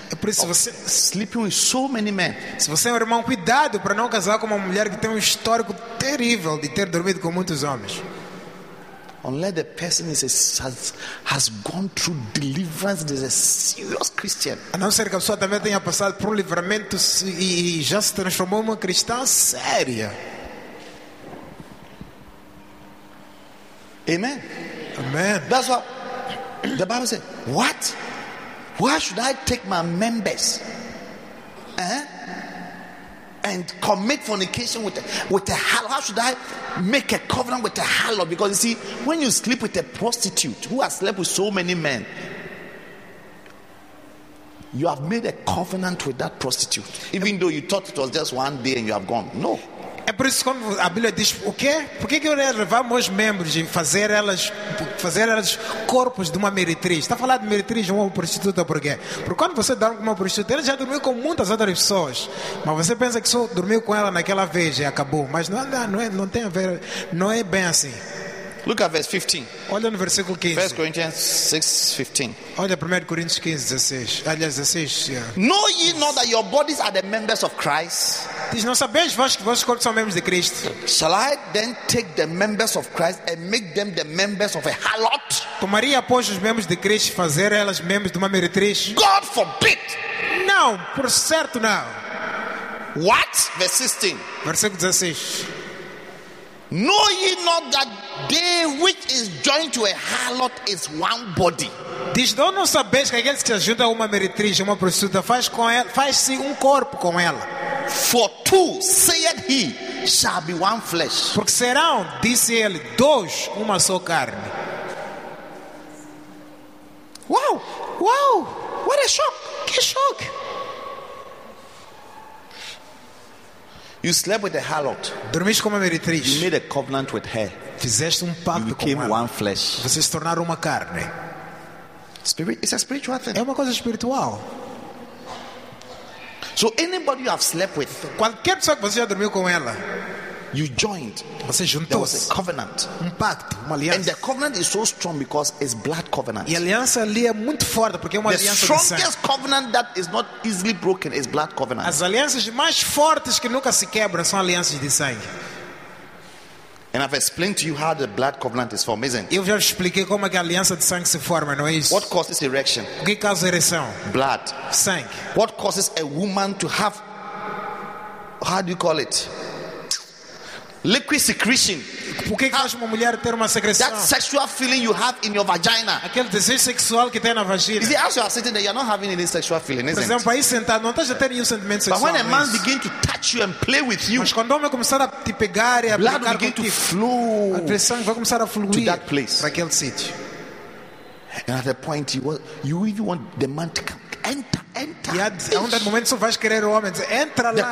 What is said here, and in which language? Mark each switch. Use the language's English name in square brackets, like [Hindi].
[Portuguese] É por isso você [English] sleeping with so many men. [Portuguese] Se você é um irmão, cuidado para não casar com uma mulher que tem um histórico terrível de ter dormido com muitos homens. [English] Unless the person has gone through deliverance, is a serious Christian. [Portuguese] A não ser que a pessoa também tenha passado por um livramento e já se transformou em uma cristã séria. Amen. Amen. [English] That's what the Bible says. What? Why should I take my members? And commit fornication with a harlot. How should I make a covenant with a harlot? Because you see, when you sleep with a prostitute who has slept with so many men, you have made a covenant with that prostitute, even though you thought it was just one day and you have gone. No. [Portuguese] É por isso que a Bíblia diz, o quê? Por que eu ia levar meus membros e fazer elas corpos de uma meretriz? Está falando de meretriz, uma prostituta, por quê? Porque quando você dorme com uma prostituta, ela já dormiu com muitas outras pessoas. Mas você pensa que só dormiu com ela naquela vez e acabou. Mas não tem a ver, não é bem assim. [English] Look at verse 15. [Portuguese] Olha no versículo 15. [English] 1 Corinthians 6:15. [Portuguese] Olha 1 Coríntios 15:16. Aliás, 16. [English] Yeah. Know ye not that your bodies are the members of Christ? [Portuguese] Diz, não sabeis vós que vossos corpos são membros de Cristo? [English] Shall I then take the members of Christ and make them the members of a harlot? [Portuguese] Tomaria pois os membros de Cristo e fazer elas membros de uma meretriz? [English] God forbid! [Portuguese] Não, por certo não. [English] What? Verse 16. [Portuguese] Versículo 16. [English] Know ye not that they which is joined to a harlot is one body? [Portuguese] Diz, não sabes que aqueles que se juntam a uma meretriz, uma prostituta, faz-se um corpo com ela. [English] For two, saith he, shall be one flesh. [Portuguese] Porque serão, disse ele, dois, uma só carne. [English] Wow! Wow! What a shock! [Portuguese] Que shock! [English] You slept with a harlot. [Portuguese] Dormiste com uma meretriz. [English] You made a covenant with her. [Portuguese] Fizeste pacto com ela. [English] You became one flesh. [Portuguese] Vocês tornaram uma carne. [English] Spirit, it's a spiritual thing. [Portuguese] É uma coisa espiritual. [English] So anybody you have slept with, [Portuguese] qualquer pessoa que você já dormiu com ela, [English] you joined. [Portuguese] Você juntou. [English] There was a covenant. [Portuguese] Pacto, uma aliança. [English] And the covenant is so strong because it's blood covenant. [Portuguese] E a aliança ali é muito forte porque é uma aliança de sangue. [English] The strongest covenant that is not easily broken is blood covenant. [Portuguese] As alianças mais fortes que nunca se quebram são alianças de sangue. [English] And I've explained to you how the blood covenant is formed, isn't it? [Portuguese] Eu já expliquei como é que a aliança de sangue se forma, não é isso? [English] What causes erection? [Portuguese] O que causa ereção? [English] Blood. [Portuguese] Sangue. [English] What causes a woman to have, how do you call it? Liquid secretion. [Portuguese] Por que faz uma mulher ter uma secreção? [English] That sexual feeling you have in your vagina. [Portuguese] Aquele desejo sexual que tem na vagina. [English] Is it as you are sitting there, you are not having any sexual feeling, isn't it? [Portuguese] Por exemplo, aí sentado, não estás a ter nenhum sentimento sexual. [English] But when a man begins to touch you and play with you, [Portuguese] mas quando o homem começar a te pegar e a brincar contigo, [English] blood begins to flow. [Portuguese] A pressão vai começar a fluir [English] to that place. [Portuguese] Para aquele sítio. [English] And at a point, you even want the man to come. Enter. [Portuguese] E há um momento só vais querer o homem dizer, entra lá.